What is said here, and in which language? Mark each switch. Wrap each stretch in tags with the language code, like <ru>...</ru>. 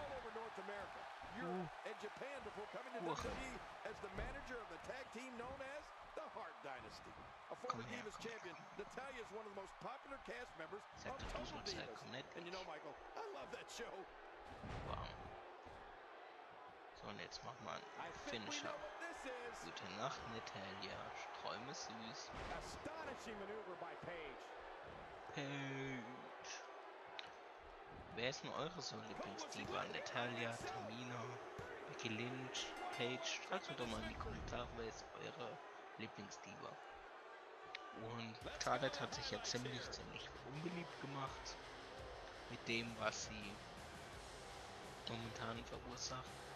<en>Europe and Japan before coming to WWE as the manager of the tag team known as the Hart Dynasty. A former Divas champion, Natalya is one of the most popular cast members of Total Divas. And you know, Michael, I love that show. Wow.</en> <de>So, und jetzt machen wir einen Finisher. Gute Nacht, Natalya. Träume süß.</de> <en>Astonishing maneuver by Paige. Paige.</en> <de>Wer ist denn eure so Lieblingsdiva? Natalya, Tamina, Becky Lynch, Paige? Schreibt mir doch mal in die Kommentare, wer ist eure Lieblingsdiva? Und Charlotte hat sich ja ziemlich unbeliebt gemacht mit dem, was sie momentan verursacht.</de>